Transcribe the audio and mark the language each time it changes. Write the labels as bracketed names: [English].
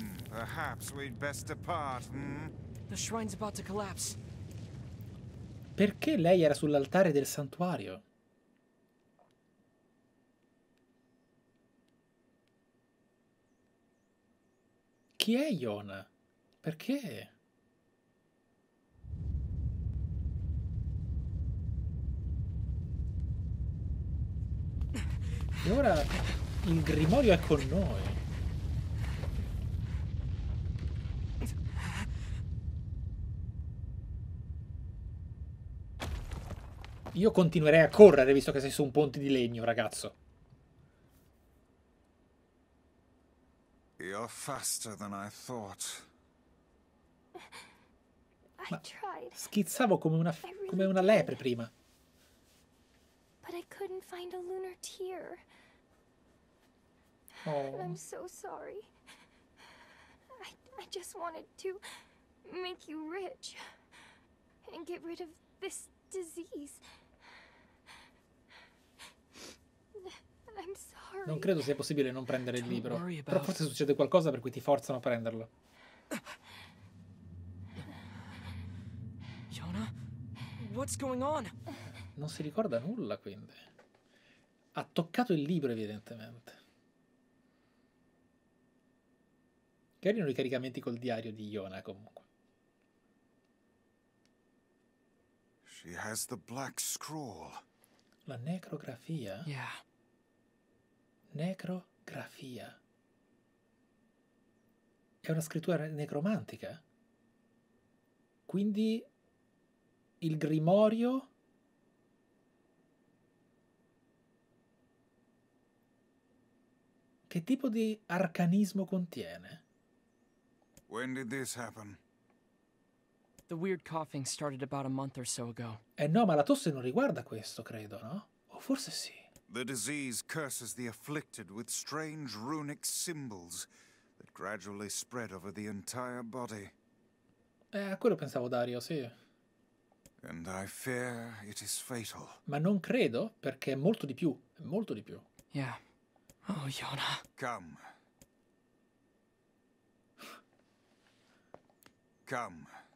[English] Perhaps we'd best depart, hmm? The shrine's about to collapse. [Italian] Perché lei era sull'altare del santuario? Chi è Yona? Perché? E ora il grimorio è con noi. Io continuerei a correre visto che sei su un ponte di legno, ragazzo. [English] You're faster than I thought. [Italian] Ma schizzavo come una lepre prima. [English] But I couldn't find a lunar tear. Oh. I'm so sorry. I just wanted to make you rich and get rid of this disease. I'm sorry. [Italian] Non credo sia possibile non prendere il libro. Però forse succede qualcosa per cui ti forzano a prenderlo. [English] Yona, what's going on? [Italian] Non si ricorda nulla, quindi. Ha toccato il libro, evidentemente. Carino i caricamenti col diario di Yona, comunque. [English] She has the black scroll. [Italian] La necrografia? [English] Yeah. [Italian] Necrografia. È una scrittura necromantica. Quindi il grimorio che tipo di arcanismo contiene? [English] When did this happen? The weird coughing started about a month or so ago. [Italian] No, ma la tosse non riguarda questo, credo, no? O forse sì. [English] The disease curses the afflicted with strange runic symbols that gradually spread over the entire body. [Italian] Quello pensavo, Dario, sì. [English] And I fear it is fatal. [Italian] Ma non credo, perché è molto di più, molto di più. [English] Yeah. Oh, Yona. Come. Come.